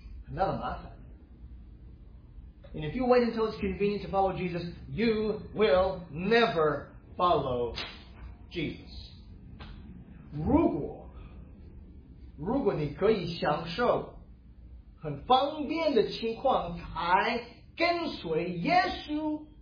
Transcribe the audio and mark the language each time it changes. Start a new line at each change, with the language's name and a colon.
Chinese: 你跟随耶稣的时候，你就会发现，有时候跟随耶稣意味着你要经历很大的不便，很大的麻烦。
English: And if you wait until it's convenient to follow Jesus, you will never follow Jesus.
Chinese: 如果你可以享受 很方便的情况才跟随耶稣,